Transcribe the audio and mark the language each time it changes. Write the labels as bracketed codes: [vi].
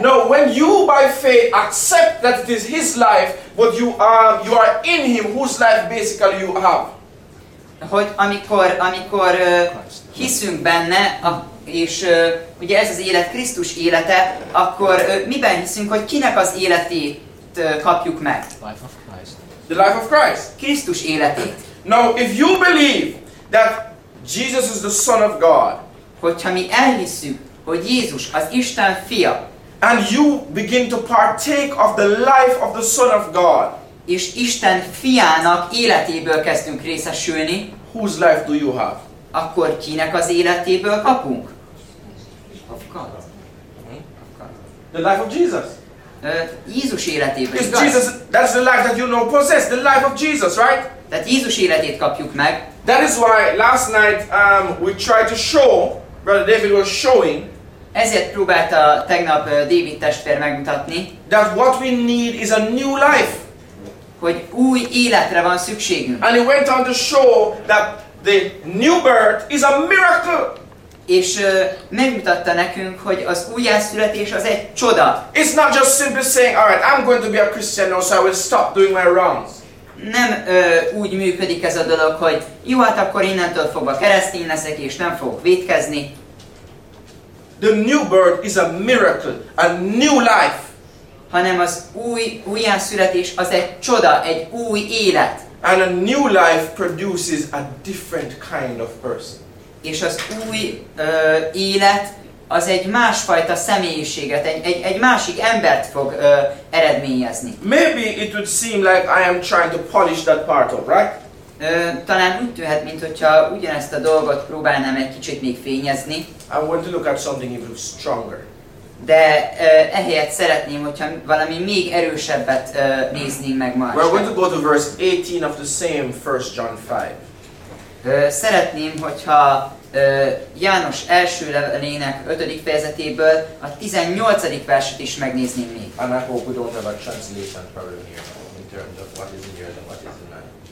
[en] No, when you by faith accept that it is his life, but you are in him, whose life basically you have? [hu] Hogy amikor hiszünk benne, és ugye ez az élet Krisztus élete, akkor miben hiszünk, hogy kinek az életét kapjuk meg? [en] Life of Christ. The life of Christ. [hu] Krisztus életét. [en] Now, if you believe that Jesus is the Son of God, [hu] hogyha mi elhisszük, hogy Jézus az Isten fia, [en] and you begin to partake of the life of the Son of God, [hu] és Isten fiának életéből kezdünk részesülni, [en] whose life do you have? [hu] Akkor kinek az életéből kapunk? [en] Of God. The life of Jesus. [hu] Jézus életéből. [en] Is Jesus, that's the life that you know possess, the life of Jesus, right? [hu] Tehát Jézus életét kapjuk meg. [en] That is why last night we tried to show, Brother David was showing. [hu] Ezért próbálta tegnap David testvér megmutatni. [en] That what we need is a new life. [hu] Hogy új életre van szükségünk. [en] And he went on to show that the new birth is a miracle. [hu] És megmutatta nekünk, hogy az újjászületés az egy csoda. [en] It's not just simply saying, all right, I'm going to be a Christian now, so I will stop doing my wrongs. [hu] Nem úgy működik ez a dolog, hogy jó, hát akkor innentől fogva keresztény leszek, és nem fogok vétkezni. [en] The new birth is a miracle, a new life. [hu] Hanem az új újjászületés az egy csoda, egy új élet. [en] And a new life produces a different kind of person. [hu] És az új élet az egy másfajta személyiséget, egy másik embert fog eredményezni. [en] Maybe it would seem like I am trying to polish that part off, right? [hu] Talán úgy tűnhet, mintha ugyanezt a dolgot próbálnám egy kicsit még fényezni. [en] I want to look at something even stronger. [hu] De ehelyett szeretném, hogyha valami még erősebbet néznénk meg ma este. [en] We're going to go to verse 18 of the same 1 John 5. [hu] Szeretném, hogyha János első levelének 5. fejezetéből a 18. verset is megnézném még. [en] And I hope we don't have a translation problem here in terms of what is in here and what is in that.